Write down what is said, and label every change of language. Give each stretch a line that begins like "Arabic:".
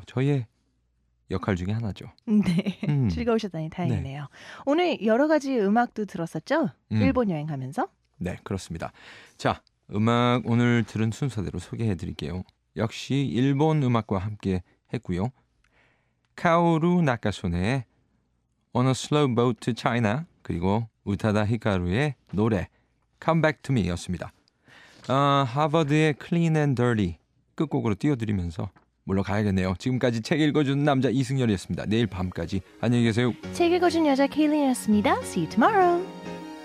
Korean: 저희의 역할 중에 하나죠. 네. 즐거우셨다니 다행이네요. 네. 오늘 여러 가지 음악도 들었었죠? 일본 여행하면서? 네, 그렇습니다. 자, 음악 오늘 들은 순서대로 소개해드릴게요. 역시 일본 음악과 함께 했고요. 카오루 나카소네의 On a Slow Boat to China 그리고 우타다 히카루의 노래 Come Back to Me였습니다. 하버드의 Clean and Dirty 끝곡으로 띄워드리면서 물러가야겠네요. 지금까지 책 읽어주는 남자 이승열이었습니다. 내일 밤까지 안녕히 계세요. 책 읽어주는 여자 케일린이었습니다.
English: See you tomorrow.